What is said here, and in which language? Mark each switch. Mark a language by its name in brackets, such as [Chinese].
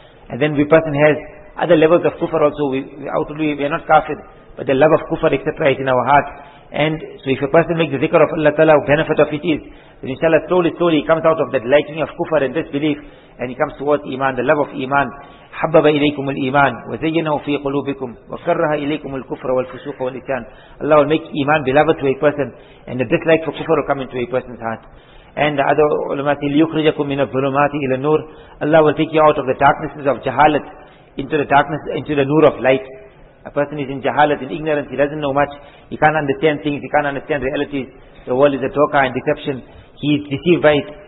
[English] And then the person has other levels of kufr also. We are not kafir, but the love of kufr, etc. is in our heart. And so if a person makes the zikr of Allah Ta'ala, the benefit of it is, then inshallah slowly, slowly he comes out of that lightning of kufr and disbelief, and he comes towards iman, the love of iman. [Arabic] حبب إليكم الإيمان وزينه في قلوبكم وكره إليكم الكفر والفسوق والنسيان. [English] Allah will make iman beloved to a person, and the dislike for kufr will come into a person's heart. And the other ulama say [Arabic] ليخرجكم من الظلمات إلى النور. [English] Allah will take you out of the darknesses of jahalat into the darkness, into the nur of light. A person is in jahalat, in ignorance, he doesn't know much, he can't understand things, he can't understand realities, the world is a dhoka and deception, he is deceived by it.